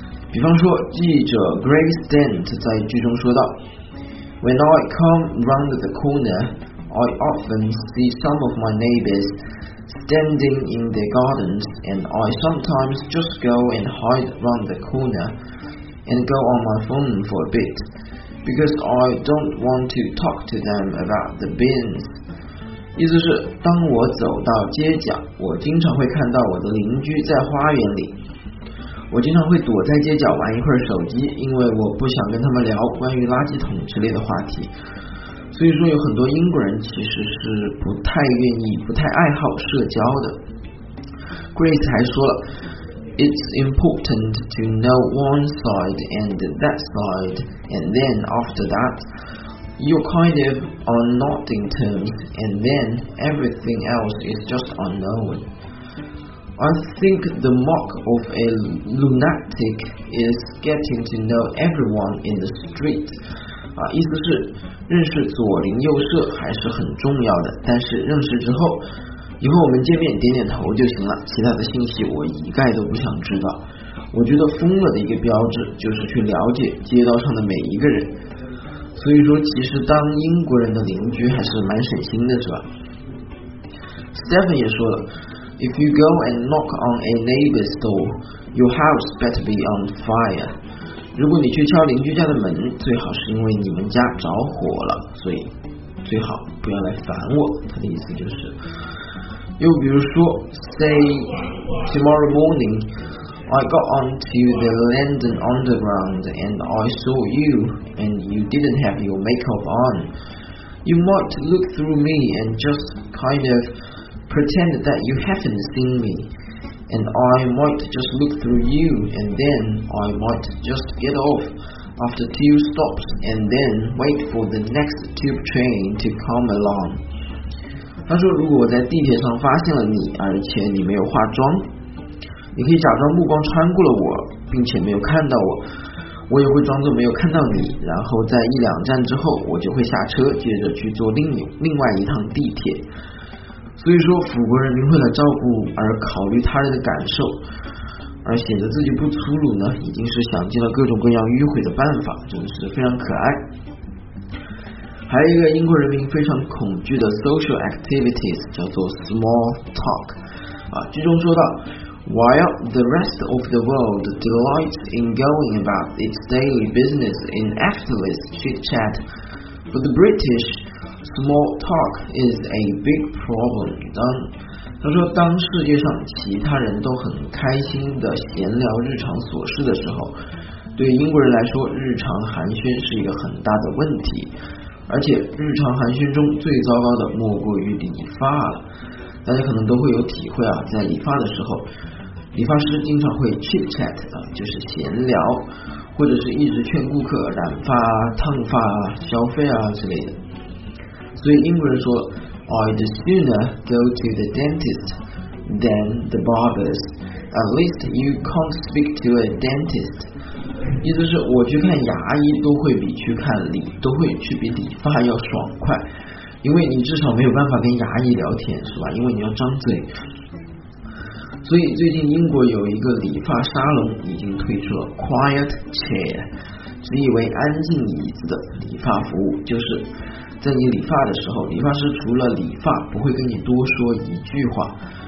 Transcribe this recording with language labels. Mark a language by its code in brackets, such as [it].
[zh] 比方说记者 [en] Greg Stent [zh] 在剧中说道， [en] When I come round the corner I often see some of my neighbors standing in their gardens and I sometimes just go and hide round the corner and go on my phone for a bit because I don't want to talk to them about the beans。 [zh] 意思是当我走到街角，我经常会看到我的邻居在花园里，我经常会躲在街角玩一会儿手机，因为我不想跟他们聊关于垃圾桶之类的话题。所以说有很多英国人其实是不太愿意，不太爱好社交的。 [en] Grace [zh] 还说了， [en] It's important to know one side and that side and then after that you're kind of on nodding terms and then everything else is just unknown。 I think the mark of a lunatic is getting to know everyone in the street。 [zh] 啊，意思是认识左邻右舍还是很重要的，但是认识之后，以后我们见面点点头就行了，其他的信息我一概都不想知道。我觉得疯了的一个标志就是去了解街道上的每一个人。所以说其实当英国人的邻居还是蛮省心的，是吧？ [en] Stephen [zh] 也说了， [en] If you go and knock on a neighbor's door, your house better be on fire。 [zh] 如果你去敲邻居家的门，最好是因为你们家着火了，所以最好不要来烦我，他的意思就是。又比如说 [en] Say tomorrow morning I got onto the London Underground and I saw you and you didn't have your makeup on, you might look through me and just kind ofPretend that you haven't seen me, and I might just look through you, and then I might just get off after two stops, and then wait for the next tube train to come along. [zh] 他说，如果我在地铁上发现了你，而且你没有化妆，你可以假装目光穿过了我，并且没有看到我，我也会装作没有看到你，然后在一两站之后，我就会下车，接着去坐另外一趟地铁。所以说辅国人民为了照顾而考虑他人的感受而显得自己不粗鲁呢，已经是想尽了各种各样迂回的办法，真的是非常可爱。还有一个英国人民非常恐惧的 [en] social activities [zh] 叫做 small talk。啊，剧中说到， [en] While the rest of the world delights in going about its daily business in effortless chit chat, for the BritishSmall talk is a big problem。 [zh] 他说当世界上其他人都很开心的闲聊日常琐事的时候，对英国人来说日常寒暄是一个很大的问题，而且日常寒暄中最糟糕的莫过于理发了。大家可能都会有体会啊，在理发的时候理发师经常会 chit chat，就是闲聊，或者是一直劝顾客染发烫发消费啊之类的。所以英国人说 [en] I'd sooner go to the dentist than the barber's. At least you can't speak to a dentist. [zh] 意思是我去看牙医都会比去看理都会去比理发要爽快，因为你至少没有办法跟牙医聊天是吧，因为你要张嘴。所以最近英国有一个理发沙龙已经推出了 Quiet Chair， 是以为安静椅子的理发服务，就是在你理发的时候，理发师除了理发不会跟你多说一句话。